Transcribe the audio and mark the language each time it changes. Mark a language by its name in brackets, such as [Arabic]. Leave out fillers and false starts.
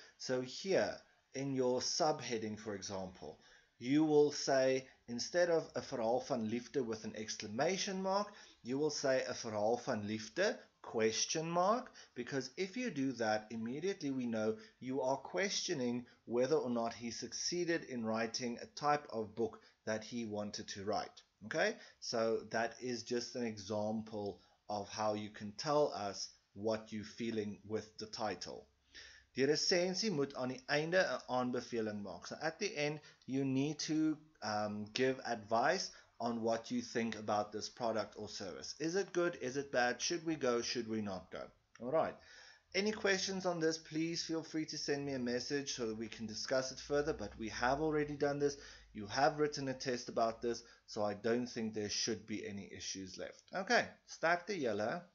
[English] So here, in your subheading, for example, you will say, instead of [Afrikaans] 'n verhaal van liefde [English] with an exclamation mark, you will say 'n verhaal van liefde, question mark, because if you do that, immediately we know you are questioning whether or not he succeeded in writing a type of book that he wanted to write. Okay, so that is just an example of how you can tell us what you're feeling with the title. [Afrikaans] Die resensie moet aan die einde 'n aanbeveling maak. [English] So at the end, you need to give advice on what you think about this product or service. Is it good? Is it bad? Should we go? Should we not go? All right. Any questions on this, please feel free to send me a message so that we can discuss it further. But we have already done this. You have written a test about this. So I don't think there should be any issues left. Okay. [Afrikaans] Sterkte julle.